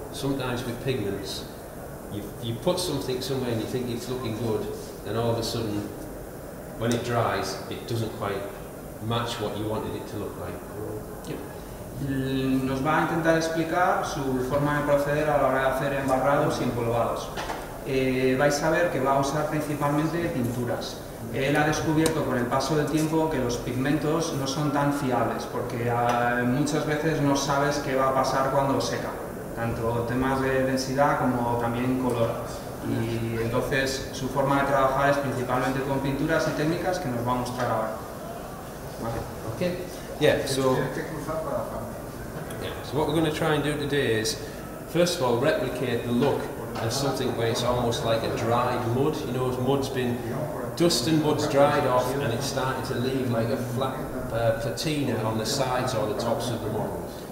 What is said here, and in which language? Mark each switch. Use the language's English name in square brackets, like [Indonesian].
[English] Sometimes with pigments, you put something somewhere and you think it's looking good, and all of a sudden, when it dries, it doesn't quite match what you wanted it to look like. [Spanish] Nos va a intentar explicar su forma de proceder a la hora de hacer embarrados y empolvados. Vais a ver que va a usar principalmente pinturas. Él ha descubierto con el paso del tiempo que los pigmentos no son tan fiables, porque muchas veces no sabes qué va a pasar cuando seca, tanto temas de densidad como también color. Y entonces su forma de trabajar es principalmente con pinturas y técnicas que nos va a mostrar ahora. [English] Vale. Okay. Yeah, so. Yeah, so what we're going to try and do today is, first of all, replicate the look of something where it's almost like a dried mud. You know, mud's been, dust and mud's dried off and it's starting to leave like a flat patina on the sides or the tops of the models.